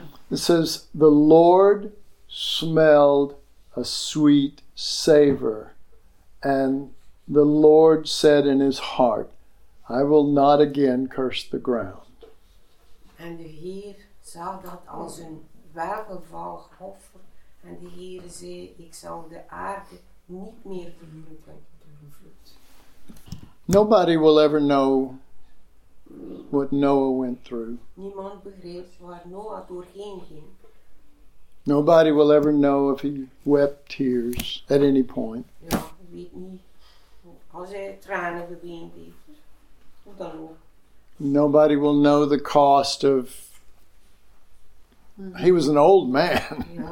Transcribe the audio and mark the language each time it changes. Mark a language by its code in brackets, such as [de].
[en] It says, the Lord smelled a sweet savor. And the Lord said in his heart, I will not again curse the ground. And the Heer saw that as a welgevallig offer. [nl] En de Heer zei, ik zal de aarde niet meer vervloeken. [en] Nobody will ever know what Noah went through. [nl] Niemand begreep waar Noah doorheen ging. [en] Nobody will ever know if he wept tears at any point. [nl] Ja, ik weet niet. Als hij tranen geweend heeft, hoe dan ook. [en] Nobody will know the cost of... He was an old man.